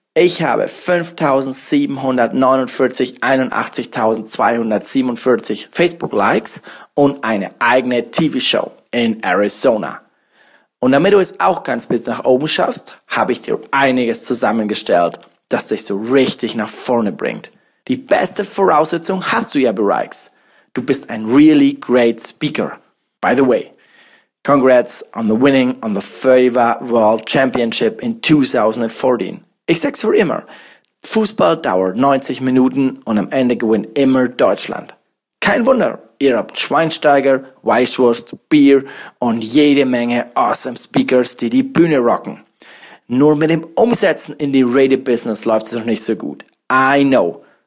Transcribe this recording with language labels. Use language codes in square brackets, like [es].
[de] Ich habe 5.749.81.247 Facebook-Likes und eine eigene TV-Show in Arizona. Und damit du es auch ganz bis nach oben schaffst, habe ich dir einiges zusammengestellt, das dich so richtig nach vorne bringt. Die beste Voraussetzung hast du ja bereits. Du bist ein [en] really great speaker. By the way, congrats on the winning on the FIVA World Championship in 2014. [de] Ich sag's für immer, Fußball dauert 90 Minuten und am Ende gewinnt immer Deutschland. Kein Wunder, ihr habt Schweinsteiger, Weißwurst, Bier und jede Menge [en] awesome Speakers, [de] die die Bühne rocken. Nur mit dem Umsetzen in die Radio-Business läuft es noch nicht so gut. [en] I know.